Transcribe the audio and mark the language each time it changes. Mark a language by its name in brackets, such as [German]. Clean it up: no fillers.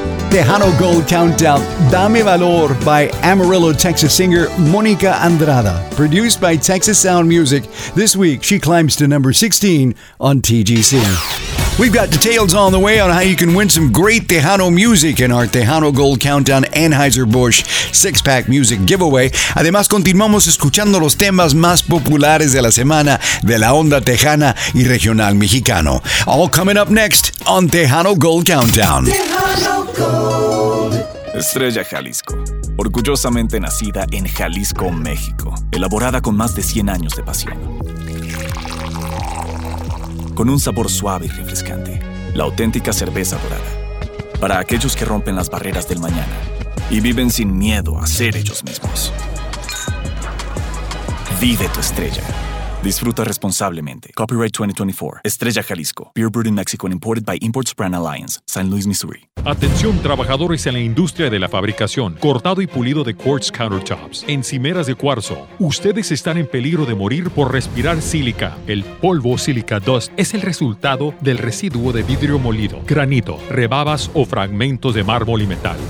[English] Tejano Gold Countdown, Dame Valor by Amarillo, Texas singer Monica Andrada. Produced by Texas Sound Music, this week she climbs to number 16 on TGC. We've got details on the way on how you can win some great Tejano music in our Tejano Gold Countdown Anheuser-Busch six-pack music giveaway. [Spanish] Además, continuamos escuchando los temas más populares de la semana de la onda tejana y regional mexicano. [English] All coming up next on Tejano Gold Countdown. [Spanish] Estrella Jalisco, orgullosamente nacida en Jalisco, México, elaborada con más de 100 años de pasión. Con un sabor suave y refrescante, la auténtica cerveza dorada. Para aquellos que rompen las barreras del mañana y viven sin miedo a ser ellos mismos. Vive tu estrella. Disfruta responsablemente. Copyright 2024. Estrella Jalisco. [English] Beer brewed in Mexico and imported by Imports Brand Alliance. [Spanish] San Luis, Missouri. Atención, trabajadores en la industria de la fabricación, cortado y pulido de [English] quartz countertops, [Spanish] encimeras de cuarzo. Ustedes están en peligro de morir por respirar sílica. El polvo sílica dust es el resultado del residuo de vidrio molido, granito, rebabas o fragmentos de mármol y metal.